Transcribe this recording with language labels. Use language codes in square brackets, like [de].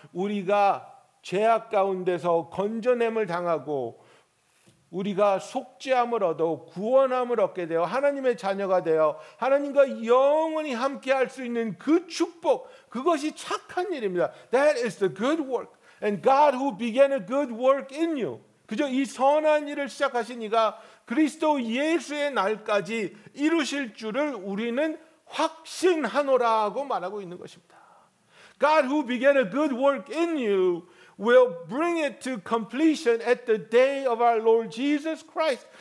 [ko] 우리가 죄악 가운데서 건져냄을 당하고 우리가 속죄함을 얻어 구원함을 얻게 되어 하나님의 자녀가 되어 하나님과 영원히 함께 할 수 있는 그 축복, 그것이 착한 일입니다. [en] That is the good work. And God who began a good work in you. [ko] 그저 이 선한 일을 시작하신 이가 그리스도 예수의 날까지 이루실 줄을 우리는 확신하노라고 말하고 있는 것입니다. [en] God who began a good work in you will bring it to completion at the day of our Lord Jesus Christ.